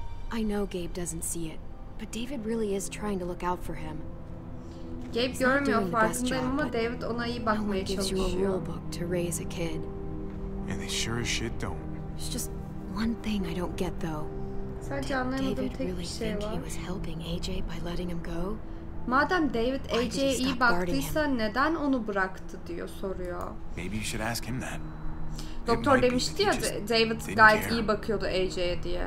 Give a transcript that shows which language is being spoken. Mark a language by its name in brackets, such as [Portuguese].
[English] I know Gabe doesn't see it, but David really is trying to look out for him. [Turkish] Gabe görmüyor, farkındayım ama David ona iyi bakmaya çalışıyor. [English] No one gives you a rule book to raise a kid. And they sure as shit don't. It's just one thing I don't get though. David really think he was helping AJ by letting him go? [Turkish] Madem David AJ'ye iyi baktıysa neden onu bıraktı diyor, soruyor. [English] Maybe you should ask him that. [Turkish] Doktor demişti ya, David gayet iyi bakıyordu AJ'ye diye.